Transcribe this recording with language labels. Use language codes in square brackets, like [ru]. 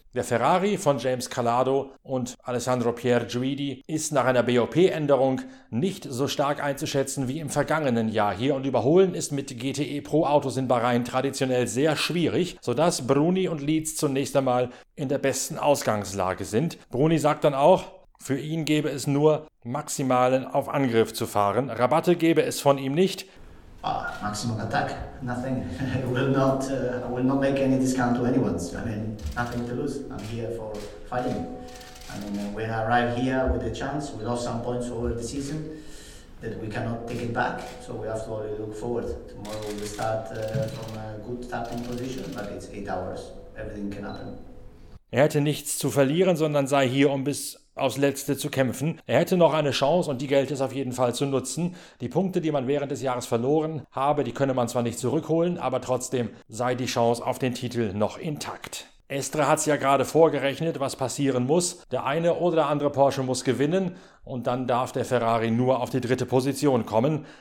[de] Der Ferrari von James Calado und Alessandro Pierguidi ist nach einer BOP-Änderung nicht so stark einzuschätzen wie im vergangenen Jahr hier und überholen ist mit GTE Pro-Autos in Bahrain traditionell sehr schwierig, sodass Bruni und Lietz zunächst einmal in der besten Ausgangslage sind. Bruni sagt dann auch, für ihn gäbe es nur maximalen auf Angriff zu fahren. Rabatte gäbe es von ihm nicht. [en] Maximum Attack, nothing. I will not make any discount to anyone. I mean, nothing to lose. I'm here for fighting. I mean, we arrived here with a chance. We lost some points over the season that we cannot take it back. So we have to only look forward. Tomorrow we start from a good starting position, but it's 8 hours. Everything can happen. [de] Er hätte nichts zu verlieren, sondern sei hier, um bis aufs Letzte zu kämpfen. Er hätte noch eine Chance und die gilt es auf jeden Fall zu nutzen. Die Punkte, die man während des Jahres verloren habe, die könne man zwar nicht zurückholen, aber trotzdem sei die Chance auf den Titel noch intakt. Estre hat es ja gerade vorgerechnet, was passieren muss. Der eine oder der andere Porsche muss gewinnen und dann darf der Ferrari nur auf die dritte Position kommen.